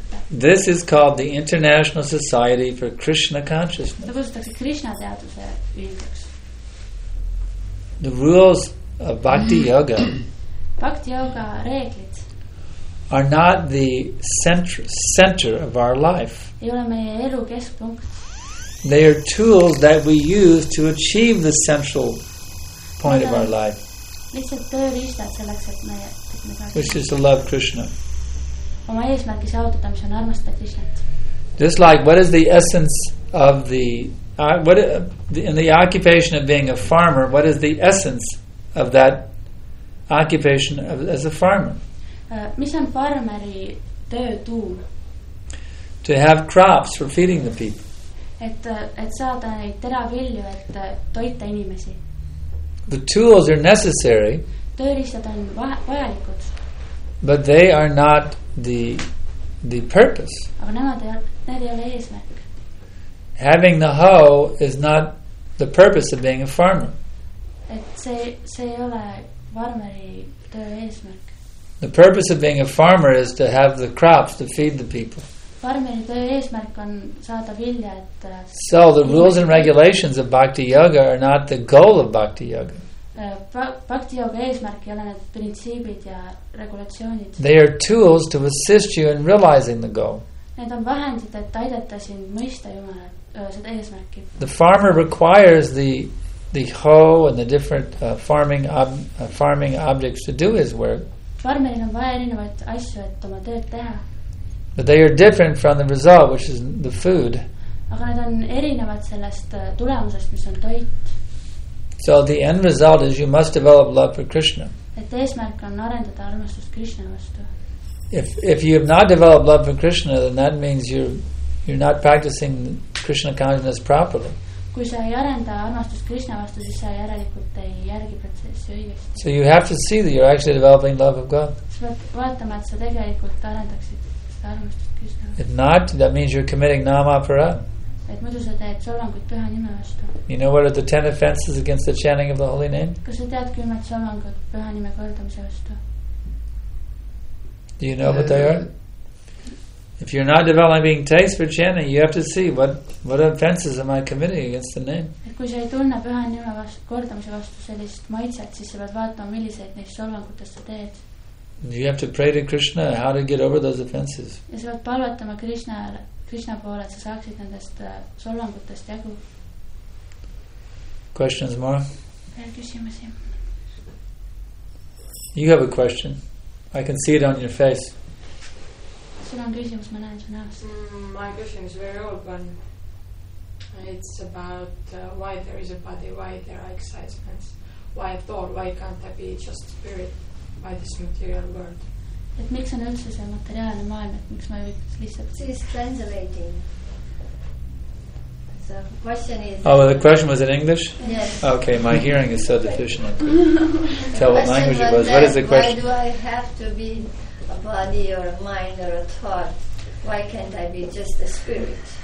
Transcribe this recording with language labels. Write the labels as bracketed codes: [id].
[en] This is called the International Society for Krishna Consciousness. [et] Seda kutsutakse Krishna teaduse ühinguks. [en] The rules of Bhakti Yoga [et] Bhakti Yoga reeglid [en] are not the center of our life. [et] Ei ole meie elu keskpunkt. [en] They are tools that we use to achieve the central point of our life. [et] Lihtsalt tööriistad selleks, et me saaks. [en] Which is to love Krishna. [et] Oma eesmärgi saavutada, mis on armastada Krishnat. [en] Just like, what is the essence of the in the occupation of being a farmer, what is the essence of that occupation as a farmer? [et] Mis on farmeri töö tuum? [en] To have crops for feeding the people. [et] Et saada neid teravilju, et toita inimesi. [en] The tools are necessary. [et] Tööriistad on vajalikud. [en] But they are not the purpose. [et] Aga nemad ei ole eesmärk. [en] Having the hoe is not the purpose of being a farmer. [et] Et see ei ole farmeri töö eesmärk. [en] The purpose of being a farmer is to have the crops to feed the people. [et] Farmeri töö eesmärk on saada vilja, et [en] so the rules and regulations of Bhakti Yoga are not the goal of Bhakti Yoga. [et] Bhakti Yoga eesmärk ei ole need printsiibid ja regulatsioonid. [en] They are tools to assist you in realizing the goal. [et] Need on vahendid, et aidata sind mõista Jumala seda eesmärki. [en] The farmer requires the hoe and the different farming objects to do his work. [et] Farmeril on vaja erinevaid asju, et oma tööd teha. [en] But they are different from the result, which is the food. [et] Aga need on erinevad sellest tulemusest, mis on toit. [en] So the end result is you must develop love for Krishna. [et] Et eesmärk on arendada armastust Krishna vastu. [en] If you have not developed love for Krishna, then that means you're not practicing Krishna consciousness properly. [et] Kui sa ei arenda armastust Krishna vastu, siis sa järelikult ei järgi protsessi õigesti. [en] So you have to see that you're actually developing love of God. [et] Sa pead vaatama, et sa tegelikult arendaksid seda armastust Krishna vastu. [en] If not, that means you're committing nama para. [et] Et muidu sa teed solvangut püha nime vastu. [en] You know what are the 10 offenses against the chanting of the holy name? [et] Kas sa tead kümmet solvangut püha nime kordamise vastu? [en] Do you know what they are? If you're not developing taste for chanting, you have to see what offenses am I committing against the name. [et] Et kui sa ei tunne püha nime vastu kordamise vastu sellist maitset, siis sa pead vaatama, milliseid neist solvangutest sa teed. [en] You have to pray to Krishna how to get over those offenses. [et] Ja sa pead palvetama Krishna poole, et sa saaksid nendest solvangutest jagu. [en] Questions more? [et] Veel küsimusi. [en] You have a question. I can see it on your face. [et] Sul on küsimus, ma näen su näos. [en] My question is very open. It's about why there is a body, why there are excitements, why a thought, why can't I be just spirit by this material world? [et] Et miks on üldse see materiaalne maailm, et miks ma ei võiks lihtsalt... [en] She's translating. So, question is... Oh, well, the question was in English? Yes. Okay, my hearing is so deficient. Tell what language it was. What is the question? Why do I have to be a body or a mind or a thought? Why can't I be just a spirit?